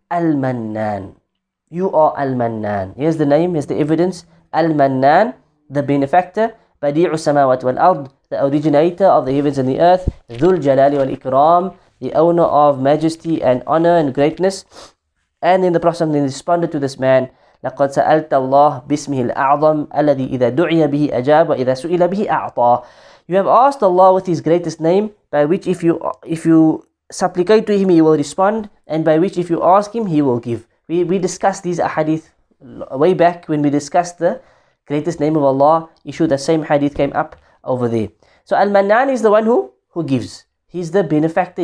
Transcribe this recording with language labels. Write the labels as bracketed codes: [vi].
[en] Al-Mannan. You are Al-Mannan. Here's the name, here's the evidence. Al-Mannan, the benefactor, badi'u samawat wal ard, the originator of the heavens and the earth, dhul jalali wal ikram, the owner of majesty and honor and greatness. And then the Prophet then responded to this man, [ar] لَقَدْ سَأَلْتَ اللَّهِ بِاسْمِهِ الْأَعْظَمِ أَلَّذِي إِذَا دُعِيَ بِهِ أَجَابَ وَإِذَا سُئِلَ بِهِ أَعْطَى. [en] You have asked Allah with His greatest name, by which if you supplicate to Him, He will respond, and by which if you ask Him, He will give. We discussed these ahadith way back when we discussed the greatest name of Allah issue. The same hadith came up over there. So Al-Mannan is the one who gives. He's the benefactor.